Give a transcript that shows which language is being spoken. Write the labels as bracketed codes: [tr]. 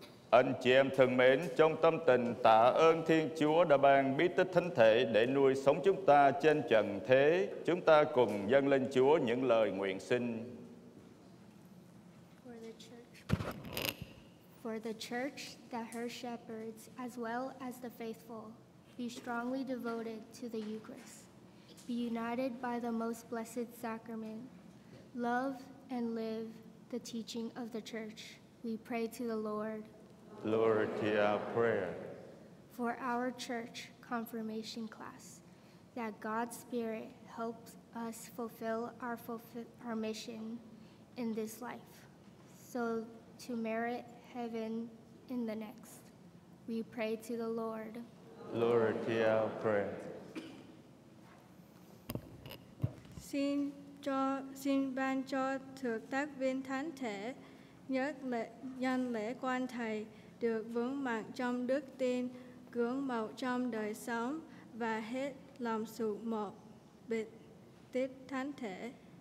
[vi] Anh chị em thân mến, trong tâm tình tạ ơn Thiên Chúa đã ban bí tích thánh thể để nuôi sống chúng ta trên trần thế, chúng ta cùng dâng lên Chúa những lời nguyện xin. [en] For the church, that her shepherds, as well as the faithful, be strongly devoted to the Eucharist, be united by the most blessed sacrament, love and live the teaching of the church, we pray to the Lord. Lord, hear our prayer. For our church confirmation class, that God's Spirit helps us fulfill our mission in this life, so to merit heaven in the next, we pray to the Lord. Lord, hear our prayer. [vi] Xin ban cho thực tác viên thánh thể nhất lễ nhân lễ quan thầy được vững mạnh trong đức tin, gương mẫu trong đời sống và hết lòng sụp một bí tích thánh thể.